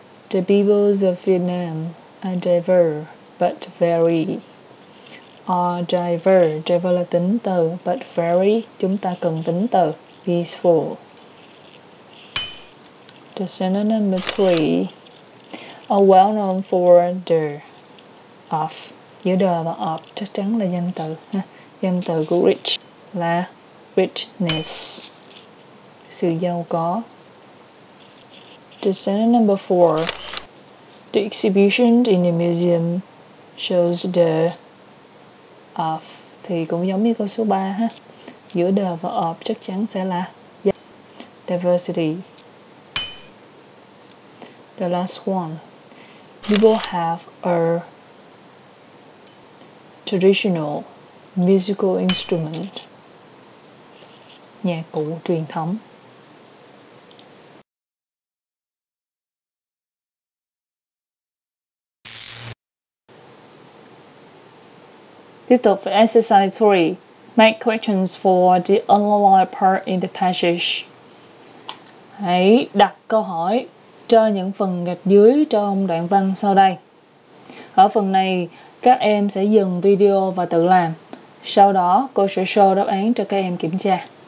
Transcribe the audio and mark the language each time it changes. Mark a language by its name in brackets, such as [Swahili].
[English] The peoples of Vietnam are diverse but very. Are diverse, diverse [Vietnamese] là tính từ, [English] but very, [Vietnamese] chúng ta cần tính từ, peaceful. [English] The sentence number 3. Are well known for the of. [Vietnamese] Giữa the và of chắc chắn là danh từ. Danh từ của rich là [English] richness, [Vietnamese] sự giàu có. [English] The sentence number 4. The exhibition in the museum shows the of. [Vietnamese] Thì cũng giống như câu số 3 ha. Giữa the và of chắc chắn sẽ là [English] diversity. The last one. People have a traditional musical instrument, [Vietnamese] nhạc cụ truyền thống. Tiếp tục với exercise 3. [English] Make questions for the unlawful part in the passage. [Vietnamese] Hãy đặt câu hỏi cho những phần gạch dưới trong đoạn văn sau đây. Ở phần này, các em sẽ dừng video và tự làm. Sau đó, cô sẽ show đáp án cho các em kiểm tra.